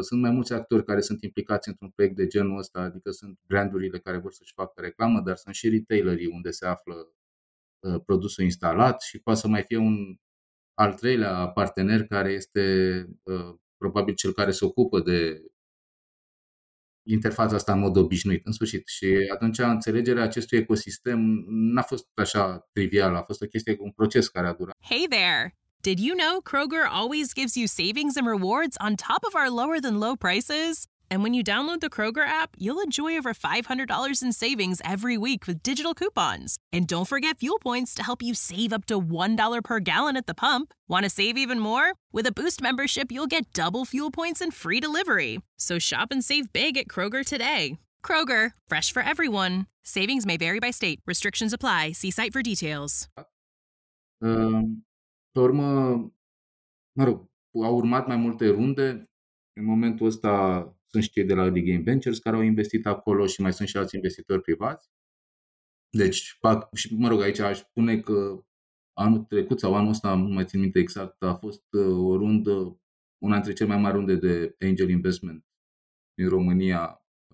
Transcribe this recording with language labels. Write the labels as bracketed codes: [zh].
[ro] Sunt mai mulți actori care sunt implicați într-un proiect de genul ăsta, adică sunt brandurile care vor să-și facă reclamă, dar sunt și retailerii unde se află produsul instalat și poate să mai fie un al treilea partener care este probabil cel care se ocupă de interfața asta în mod obișnuit, în sfârșit. Și atunci înțelegerea acestui ecosistem n-a fost așa trivială, a fost o chestie, un proces care a durat. [en] Hey there! Did you know Kroger always gives you savings and rewards on top of our lower than low prices? And when you download the Kroger app, you'll enjoy over $500 in savings every week with digital coupons. And don't forget fuel points to help you save up to $1 per gallon at the pump. Want to save even more? With a Boost membership, you'll get double fuel points and free delivery. So shop and save big at Kroger today. Kroger, fresh for everyone. Savings may vary by state. Restrictions apply. See site for details. [ro] Pe urmă, mă rog, au urmat mai multe runde. În momentul ăsta sunt și cei de la Early Game Ventures care au investit acolo și mai sunt și alți investitori privați. Deci, și mă rog, aici aș spune că anul trecut sau anul ăsta, nu mai țin minte exact, a fost o rundă, una dintre cele mai mari runde de angel investment din România.